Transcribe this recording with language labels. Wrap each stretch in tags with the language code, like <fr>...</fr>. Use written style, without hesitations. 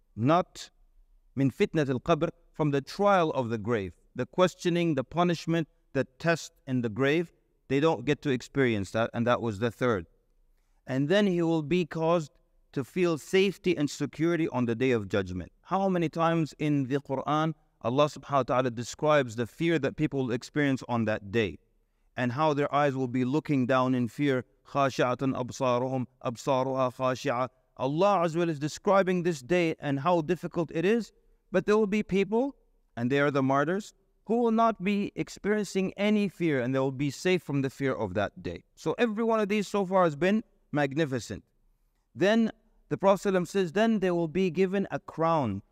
<en>Not min fitnat al-qabr, from the trial of the grave, the questioning, the punishment, the test in the grave, they don't get to experience that, and that was the third. And then he will be caused to feel safety and security on the day of judgment. How many times in the Quran Allah subhanahu wa ta'ala describes the fear that people will experience on that day, and how their eyes will be looking down in fear</en> <ar>خاشعة أبصارهم أبصارها خاشعة.</ar> <en>Allah Azza wa Jalla is describing this day and how difficult it is, but there will be people, and they are the martyrs, who will not be experiencing any fear, and they will be safe from the fear of that day. So every one of these so far has been magnificent. Then the Prophet ﷺ says, then they will be given a crown.</en>